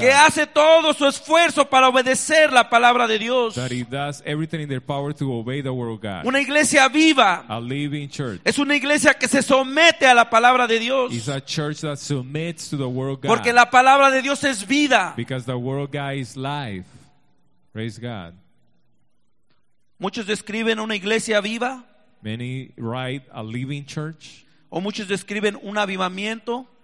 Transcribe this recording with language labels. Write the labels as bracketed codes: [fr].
[es] Que hace todo su esfuerzo para obedecer la palabra de Dios. [en] That it does everything in their power to obey the word of God. [es] Una iglesia viva. [en] A living church. church. [es] Es una iglesia que se somete a la palabra de Dios. [en] It's a church that submits to the word of God. [es] Porque la palabra de Dios es vida. [en] Because the word of God is life. Praise God. [es] Muchos describen una iglesia viva. [en] Many write a living church. [es] O muchos describen un avivamiento.